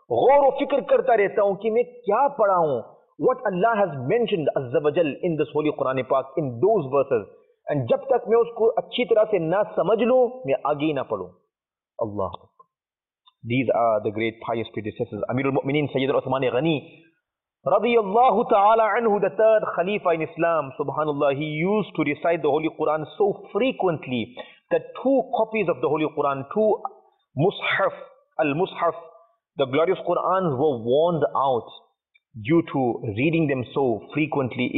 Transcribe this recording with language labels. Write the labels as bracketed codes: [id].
[ur] غور و فکر کرتا رہتا ہوں کہ میں کیا پڑھا ہوں. [en] What Allah has mentioned azzawajal in this Holy Quran Pak, in those verses. [ur] And جب تک میں اس کو اچھی طرح سے نہ سمجھ لوں میں آگے نہ پڑھوں. Allah. [en] These are the great pious predecessors. Amir al-Mu'mineen Sayyid al-Uthman Ghani radiyallahu ta'ala anhu, the third Khalifa in Islam, subhanallah, he used to recite the Holy Quran so frequently that 2 copies of the Holy Quran, 2 mushaf, al-mushaf, the glorious Qur'ans were worn out due to reading them so frequently.